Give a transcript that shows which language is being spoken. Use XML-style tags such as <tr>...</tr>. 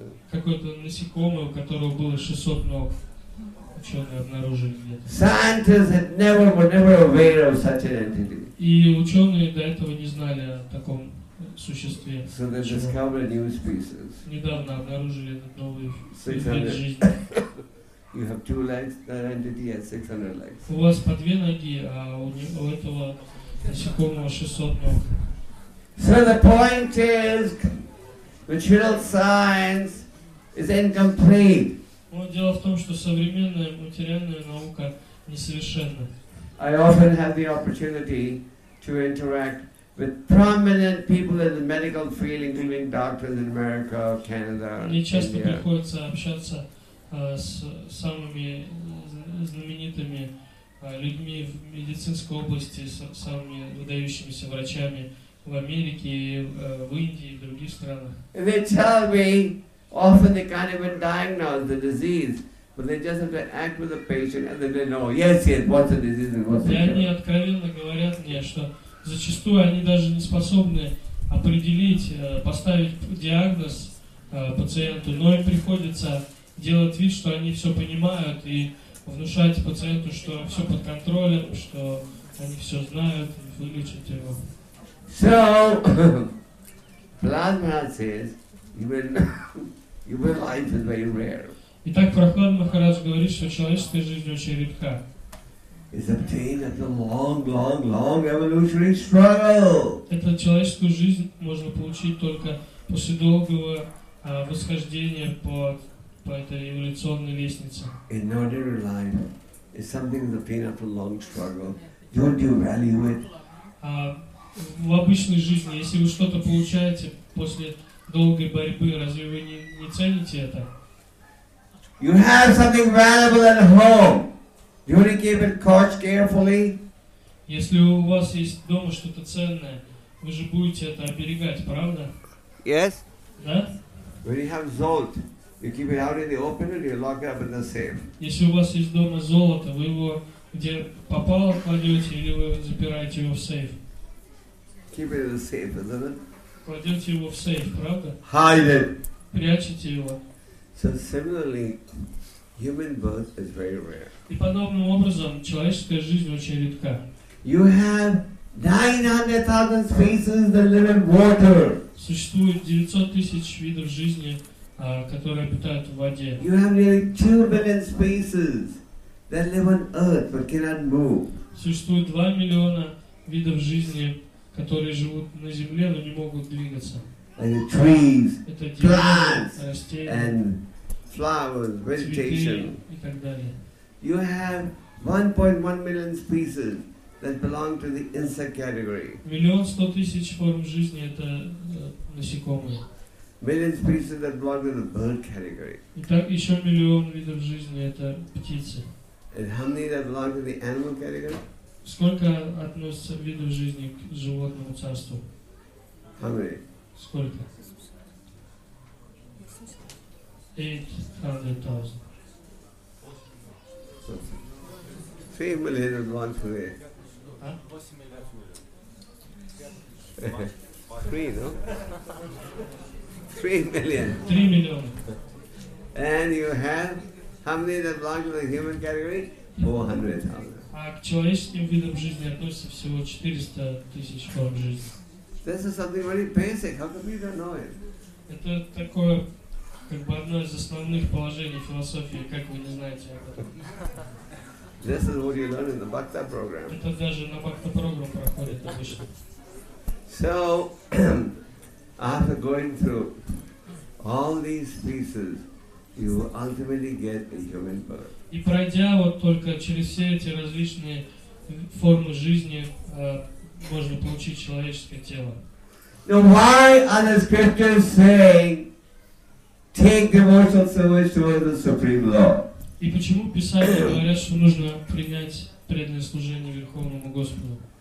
<ru>Какое-то насекомое, у которого было 600 ног. Ученые обнаружили где-то.</ru> <en>Scientists had never, were never aware of such an entity.</en> <ru>И ученые до этого не знали о таком существе.</ru> <en>So they discovered new species.</en> <ru>Недавно обнаружили этот новый вид жизни.</ru> <en>You have two legs, that entity has 600 legs.</en> <ru>У вас по две ноги, а у этого насекомого 600 ног.</ru> <en>So the point is, material science is incomplete.</en> <ru>Но дело в том, что современная материальная наука несовершенна.</ru> <en>I often have the opportunity to interact with prominent people in the medical field, including doctors in America, Canada, India.</en> <ru>Мне часто приходится общаться с самыми знаменитыми людьми в медицинской области, с самыми выдающимися врачами в Америке, в Индии, в других странах.</ru> <en>They tell me, often they can't even diagnose the disease, but they just have to act with the patient and then they know, yes, yes, what's the disease and what's the cure.</en> <ru>И они откровенно говорят мне, что зачастую они даже не способны определить, поставить диагноз пациенту, но им приходится делать вид, что они все понимают и внушать пациенту, что все под контролем, что они все знают и вылечат его.</ru> <en>So, Prahlad Maharaj says, human life is very rare.</en> <ru>Итак, Прахлад Махарадж говорит, что человеческая жизнь очень редка.</ru> <en>is obtained after long, long, long evolutionary struggle.</en> <ru>Эту человеческую жизнь можно получить только после долгого восхождения по этой эволюционной лестнице.</ru> <en>In ordinary life, if something is obtained after long struggle, don't you value it?</en> <ru>В обычной жизни, если вы что-то получаете после долгой борьбы, разве вы не цените это?</ru> <en>You have something valuable at home. Do you keep it caught carefully?</en> <ru>Если у вас есть дома что-то ценное, вы же будете это оберегать, правда?</ru> <en>Yes.</en> <ru>Да?</ru> <en>When you have gold, you keep it out in the open or you lock it up in the safe?</en> <ru>Если у вас есть дома золото, вы его где попало кладете или вы запираете его в сейф?</ru> <en>Keep it in the safe, isn't it?</en> <ru>Кладете его в сейф, правда?</ru> <en>Hide it.</en> <ru>Прячете его.</ru> <en>So similarly, human birth is very rare.</en> <ru>И подобным образом человеческая жизнь очень редка.</ru> <en>You have 900,000 species that live in water.</en> <ru>Существует 900 тысяч видов жизни, которые обитают в воде.</ru> <en>You have nearly 2 billion species that live on earth but cannot move.</en> <ru>Существует 2 миллиона видов жизни, которые живут на земле, но не могут двигаться.</ru> <en>And the trees,</en> <ru>это деревья,</ru> <en>plants,</en> <ru>растения,</ru> <en>and flowers, vegetation.</en> <ru>Цветы и так далее.</ru> <en>You have 1.1 million species that belong to the insect category.</en> <ru>1,100,000 форм жизни это насекомые.</ru> <en>Million species that belong to the bird category.</en> <ru>И так еще 1 миллион видов жизни это птицы.</ru> <en>And how many that belong to the animal category?</en> <ru>Сколько относится видов жизни к животному царству?</ru> <en>How many?</en> <ru>Сколько?</ru> <en>800,000. 3 million and one for there. Three, no? 3 million. 3 million. And you have how many that belong to the human category? 400,000.</en> <ru>А к человеческим видам жизни относится всего 400,000 форм жизни.</ru> <en>This is something very basic. How come you don't know it?</en> <ru>Это такое как бы одно из основных положений философии. Как вы не знаете об этом?</ru> <en>This is what you learn in the Bhakta program.</en> <ru>Это даже на Бхакта программе проходит обычно.</ru> <en>So, after going through all these pieces, you will ultimately get a human birth.</en> <ru>И пройдя вот только через все эти различные формы жизни, можно получить человеческое тело.</ru> <en>Now, why are the scriptures saying, take devotional service towards the supreme Lord?</en> <ru>И почему писания говорят, что нужно принять преданное служение Верховному Господу?</ru>